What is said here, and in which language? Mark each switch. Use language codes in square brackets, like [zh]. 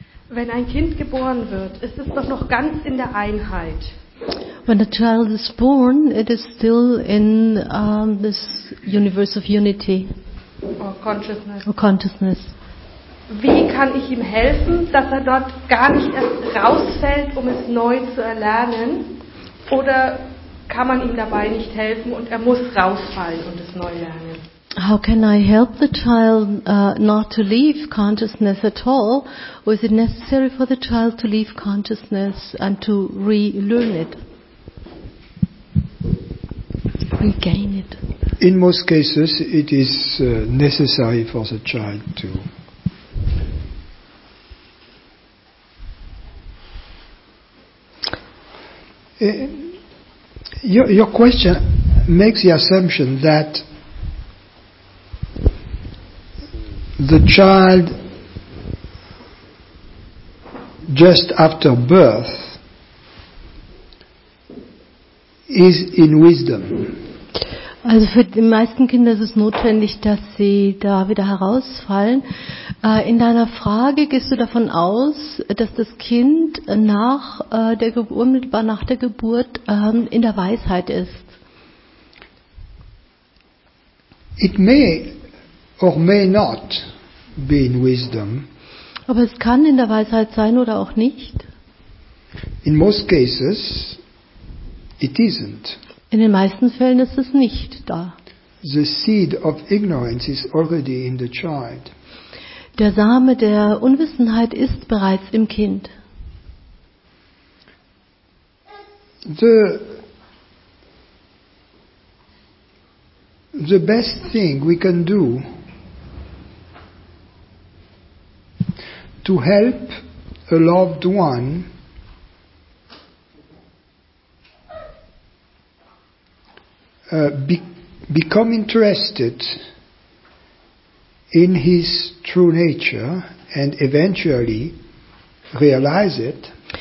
[de] Wenn ein Kind geboren wird, ist es doch noch ganz in der Einheit. [en] When a child is born, it is still in this universe of unity. Or consciousness. Or consciousness. [de] Wie kann ich ihm helfen, dass er dort gar nicht erst rausfällt, um es neu zu erlernen? Oder kann man ihm dabei nicht helfen und er muss rausfallen und es neu lernen? [en] How can I help the child not to leave consciousness at all? Or is it necessary for the child to leave consciousness and to relearn it? Regain it. In most cases, it is necessary for the child to your question makes the assumption that the child just after birth is in wisdom. [de] Also für die meisten Kinder ist es notwendig, dass sie da wieder herausfallen. In deiner Frage gehst du davon aus, dass das Kind unmittelbar nach der Geburt in der Weisheit ist. [en] It may or may not be in wisdom. [de] Aber es kann in der Weisheit sein oder auch nicht. [en] In most cases, it isn't. [de] In den meisten Fällen ist es nicht da. [en] The seed of ignorance is already in the child. [de] Der Same der Unwissenheit ist bereits im Kind. [en] The best thing we can do to help a loved one become interested in his true nature and eventually realize it.